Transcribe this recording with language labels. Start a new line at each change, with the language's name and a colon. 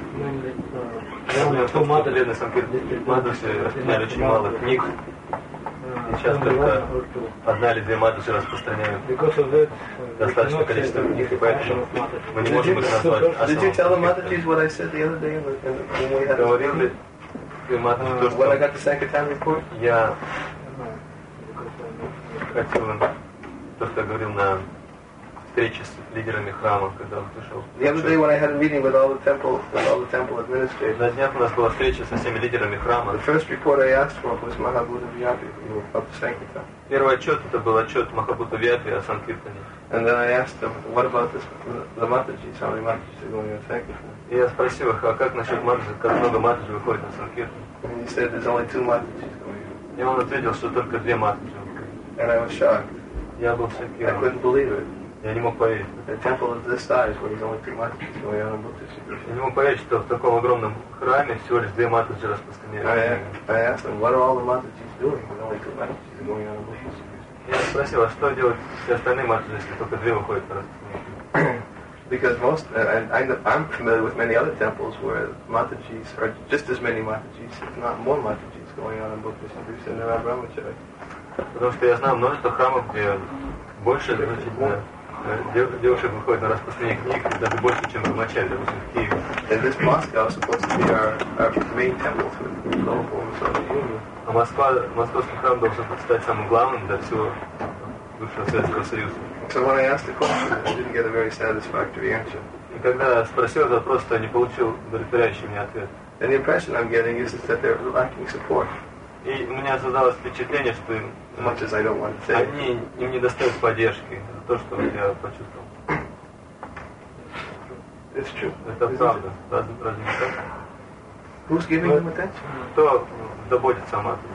Russian: mainly, то, что я говорил на встрече с лидерами храма, когда он пришел.
English: The other day when I had a meeting with all the temple administrators.
Russian: На днях у нас была встреча со всеми лидерами храма.
English: The first report I asked for was Mahabuddha Vyapi about the Sankirtan.
Russian: Первый отчет это был отчет Махабуддха Вьяпи о Санкиртане.
English: And then I asked them, what about this, the Matajis, how many Matajis are going on Sankirtan?
Russian: И я спросил их, а как насчет Матаджи, как много Матаджи выходит на Санкиртан?
English: And he said, there's only two Matajis going
Russian: on. И он ответил, что только две Матаджи.
English: And I was shocked.
Russian: Я был шокирован.
English: I couldn't believe it.
Russian: Я не мог поверить.
English: A temple of this size, where there's only two Matajis going on about distribution.
Russian: Я не мог поверить, что в таком огромном храме всего лишь две Матаджи распространяют.
English: I asked them, what are all the Matajis doing when only two Matajis are going on about distribution?
Russian: Я спросил, а что делать все остальные Матаджи, если только две выходят на распространение?
English: Because most, and I'm familiar with many other temples where Matajis, or just as many Matajis, if not more Matajis, going on about distribution than around Brahmacharya.
Russian: Потому что я знаю множество храмов, где больше девушек выходит на распространение книг, даже больше, чем в Мачаре, допустим, в Киеве.
English: And this mosque is supposed to be our main temple for the whole Soviet
Russian: Union. А Москва, московский храм должен стать самым главным для всего бывшего Советского Союза.
English: So when I asked the question, I didn't get a very satisfactory answer.
Russian: И когда спросил этот вопрос, то не получил удовлетворяющий мне ответ.
English: And the impression I'm getting is that they're lacking support.
Russian: И у меня создалось впечатление, что им,
English: much as I don't want to say,
Russian: они, им не достают поддержки за то, что я почувствовал.
English: It's true.
Russian: Это правда. Разве не так?
English: Who's giving them attention?
Russian: Кто заботится о матери?